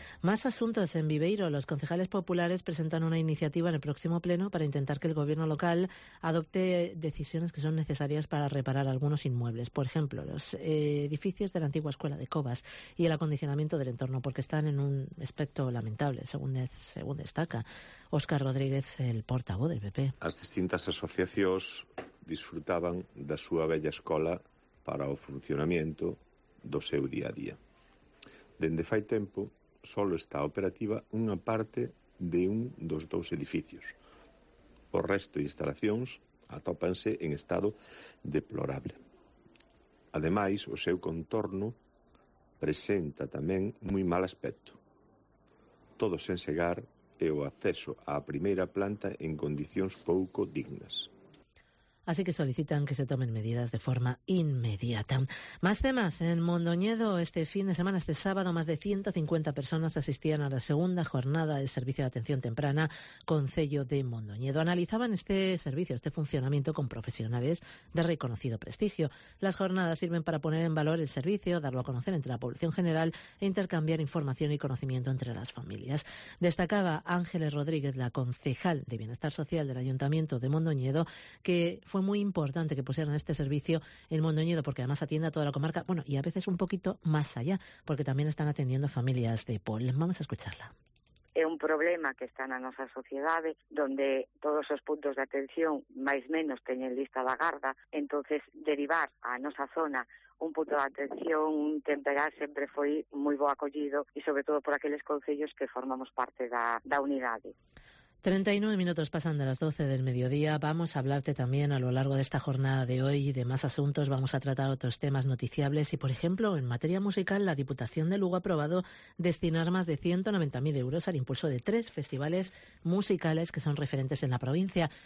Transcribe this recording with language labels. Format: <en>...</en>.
<es>Más asuntos en Viveiro. Los concejales populares presentan una iniciativa en el próximo pleno para intentar que el gobierno local adopte decisiones que son necesarias para reparar algunos inmuebles. Por ejemplo, los edificios de la antigua escuela de Covas y el acondicionamiento del entorno, porque están en un aspecto lamentable, según destaca Óscar Rodríguez, el portavoz del PP. Las distintas asociaciones disfrutaban</es> <gl>da súa bella escola para o funcionamento do seu día a día. Dende fai tempo, solo está operativa unha parte de un dos dous edificios. O resto de instalacións atópanse en estado deplorable. Ademais, o seu contorno presenta tamén moi mal aspecto. Todo sen segar e o acceso á primeira planta en condicións pouco dignas. Así que solicitan que se tomen medidas de forma inmediata.</gl> <es>Más temas. En Mondoñedo, este fin de semana, este sábado, más de 150 personas asistían a la segunda jornada del servicio de atención temprana Concello de Mondoñedo. Analizaban este servicio, este funcionamiento, con profesionales de reconocido prestigio. Las jornadas sirven para poner en valor el servicio, darlo a conocer entre la población general e intercambiar información y conocimiento entre las familias. Destacaba Ángeles Rodríguez, la concejal de Bienestar Social del Ayuntamiento de Mondoñedo, que fue muy importante que pusieran este servicio en Mondoñedo, porque además atiende a toda la comarca, bueno, y a veces un poquito más allá, porque también están atendiendo familias de Pol. Vamos a escucharla.</es> <gl>É un problema que está na nosa sociedade, donde todos os puntos de atención máis menos teñen lista da garda, entonces derivar a nosa zona un punto de atención temperal sempre foi moi bo acollido, e sobre todo por aqueles concellos que formamos parte da unidade.</gl> <es>39 minutos pasan de las 12 del mediodía. Vamos a hablarte también a lo largo de esta jornada de hoy y de más asuntos. Vamos a tratar otros temas noticiables y, por ejemplo, en materia musical, la Diputación de Lugo ha aprobado destinar más de 190.000 euros al impulso de 3 festivales musicales que son referentes en la provincia.</es>